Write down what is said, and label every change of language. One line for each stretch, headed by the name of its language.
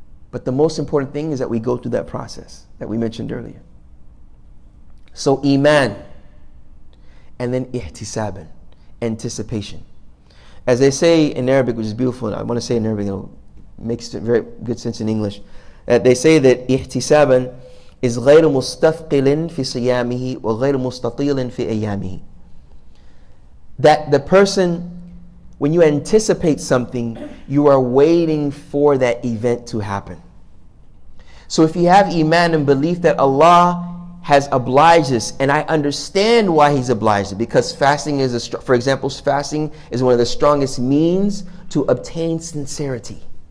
English: But the most important thing is that we go through that process that we mentioned earlier. So iman. And then ihtisaban. Anticipation. As they say in Arabic, which is beautiful, and I want to say in Arabic, it makes very good sense in English. That they say that ihtisaban is
Arabic: غير مستثقل في صيامه وغير مستطيل في أيامه.
English: That the person, when you anticipate something, you are waiting for that event to happen. So if you have iman and belief that Allah has obliged us, and I understand why He's obliged us, because fasting is, fasting is one of the strongest means to obtain sincerity.